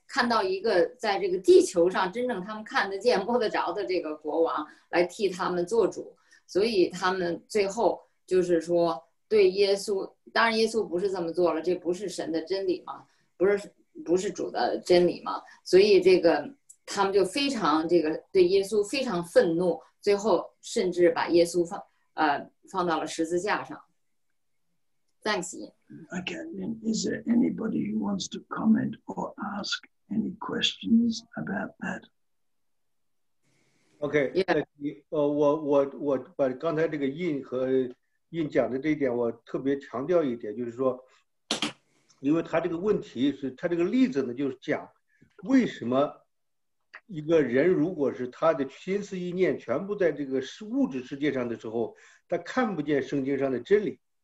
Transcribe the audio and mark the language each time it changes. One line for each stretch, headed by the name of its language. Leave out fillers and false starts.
Chinese: 看到一个在这个地球上真正他们看得见摸得着的这个国王来替他们做主，所以他们最后就是说对耶稣，当然耶稣不是这么做了，这不是神的真理吗？不是主的真理吗？所以这个他们就非常这个对耶稣非常愤怒，最后甚至把耶稣放到了十字架上。
English: Thanks, Ian. Okay, then is there anybody who wants to comment or ask any questions about that? Okay, yeah.
Chinese: 我把刚才这个印和印讲的这一点，我特别强调一点，就是说，因为他这个问题是他这个例子呢，就是讲为什么一个人如果是他的心思意念全部在这个物质世界上的时候，他看不见圣经上的真理。